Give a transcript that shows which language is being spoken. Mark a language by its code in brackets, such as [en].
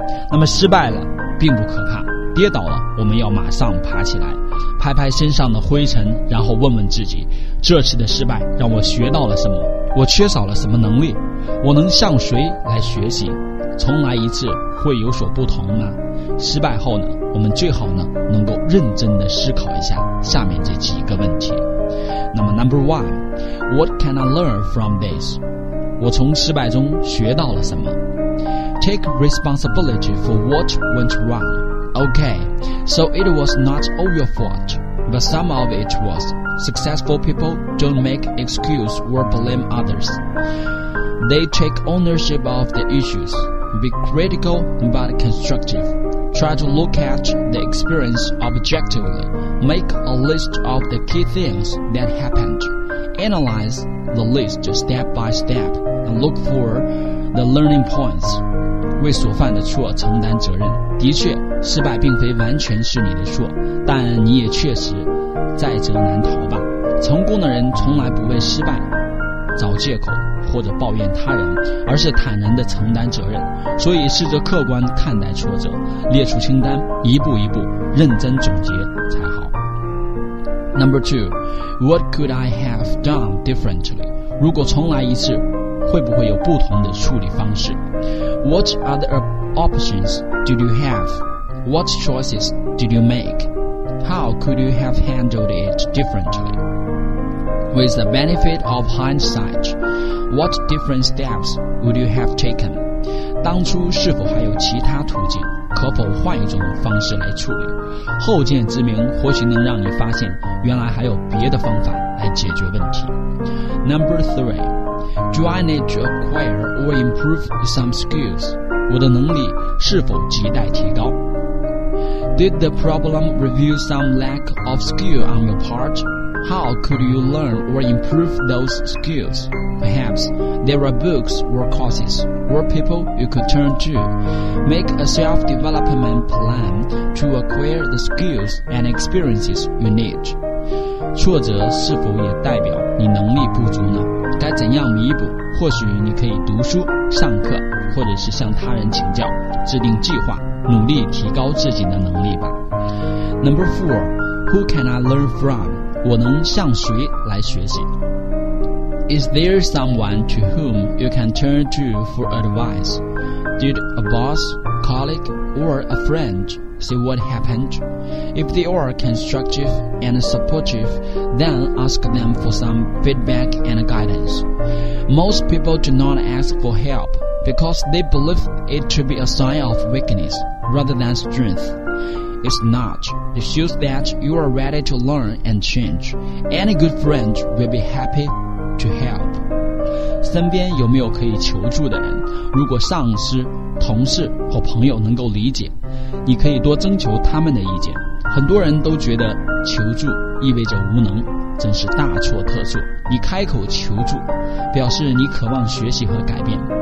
[zh] 那么失败了并不可怕，跌倒了我们要马上爬起来，拍拍身上的灰尘，然后问问自己，这次的失败让我学到了什么，我缺少了什么能力，我能向谁来学习，重来一次会有所不同吗？失败后呢，我们最好呢能够认真地思考一下下面这几个问题。那么 [en] Number one, What can I learn from this? [zh] 我从失败中学到了什么？ [en] Take responsibility for what went wrong. Okay, so it was not all your fault, but some of it was. Successful people don't make excuse or blame others. They take ownership of the issues. Be critical but constructive. Try to look at the experience objectively. Make a list of the key things that happened. Analyze the list step by step and look for the learning points. [zh] 为所犯的错承担责任。的确，失败并非完全是你的错，但你也确实在责难逃吧。成功的人从来不为失败找借口或者抱怨他人，而是坦然地承担责任。所以试着客观看待挫折，列出清单，一步一步认真总结才好。 [en] Number two, What could I have done differently? [zh] 如果重来一次，会不会有不同的处理方式？ [en] What other options did you have? What choices did you make? How could you have handled it differently? With the benefit of hindsight, what different steps would you have taken? [zh] 当初是否还有其他途径？可否换一种方式来处理？后见之明或许能让你发现，原来还有别的方法来解决问题。 [en] Number three, do I need to acquire or improve some skills? [zh] 我的能力是否亟待提高？ [en] Did the problem reveal some lack of skill on your part? How could you learn or improve those skills? Perhaps there are books or courses or people you could turn to. Make a self-development plan to acquire the skills and experiences you need. [zh] 挫折是否也代表你能力不足呢？该怎样弥补？或许你可以读书、上课，或者是向他人请教，制定计划，努力提高自己的能力吧。 [en] Number four, Who can I learn from? [zh] 我能向谁来学习？ [en] Is there someone to whom you can turn to for advice? Did a boss, colleague, or a friend see what happened? If they are constructive and supportive, then ask them for some feedback and guidance. Most people do not ask for help. Because they believe it to be a sign of weakness rather than strength. It's not. It shows that you are ready to learn and change. Any good friend will be happy to help. [zh] 身边有没有可以求助的人？如果上司、同事或朋友能够理解，你可以多征求他们的意见。很多人都觉得求助意味着无能，真是大错特错。你开口求助，表示你渴望学习和改变。